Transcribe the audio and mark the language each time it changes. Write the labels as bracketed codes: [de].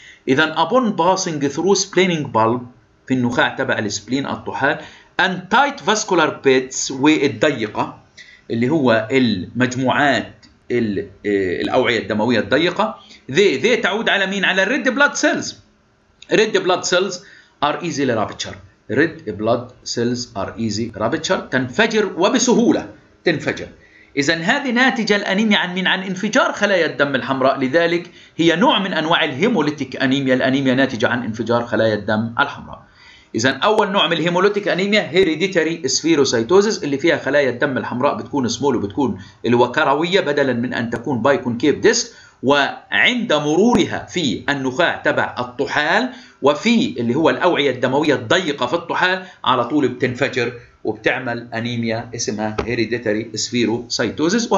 [ar] إذا [en] upon passing through splenic bulb [ar] في النخاع تبع السبلين الطحال [en] and tight vascular beds [ar] والضيقة اللي هو المجموعات الأوعية الدموية الضيقة، ذي تعود على مين؟ على الريد بلاد سيلز. [en] Red blood cells are easily ruptured. Red blood cells are easy ruptured. [ar] تنفجر وبسهولة تنفجر. إذا هذه ناتجة الأنيميا عن مين؟ عن انفجار خلايا الدم الحمراء. لذلك هي نوع من أنواع الهيموليتيك أنيميا، الأنيميا ناتجة عن انفجار خلايا الدم الحمراء. إذا أول نوع من الهيمولوتيك أنيميا هيريديتري سفيروسيتوزيس اللي فيها خلايا الدم الحمراء بتكون سمول وبتكون الوكروية بدلا من أن تكون بايكونكيف ديسك، وعند مرورها في النخاع تبع الطحال وفي اللي هو الأوعية الدموية الضيقة في الطحال على طول بتنفجر وبتعمل أنيميا اسمها هيريديتري سفيروسيتوزيس.